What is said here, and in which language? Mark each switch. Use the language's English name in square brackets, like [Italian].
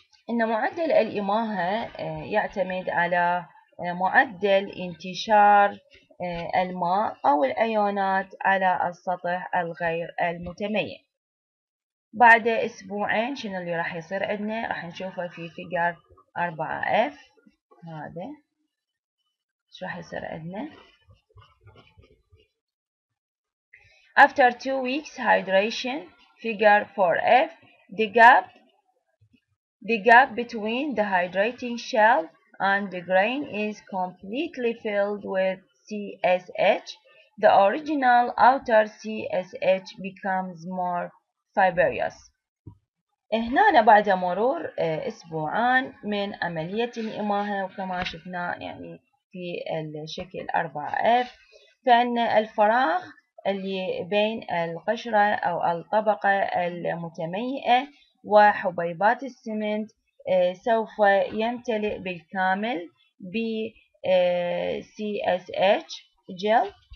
[Arabic] إن معدل الإماهة يعتمد على معدل انتشار الماء أو الأيونات على السطح الغير المتميئ. بعد أسبوعين شنو اللي راح يصير عندنا؟ راح نشوفه في فيجر 4F. هذا ايش راح يصير عندنا؟ [English] After 2 weeks hydration, figure 4F, the gap between the hydrating shell and the grain is completely filled with CSH. The original outer CSH becomes more fibrous. [Arabic] هنا بعد مرور اسبوعان من عملية الإماهة وكما شفنا يعني في الشكل 4F فإن الفراغ اللي بين القشرة أو الطبقة المتميئة وحبيبات السمنت سوف يمتلئ بالكامل ب CSH جل.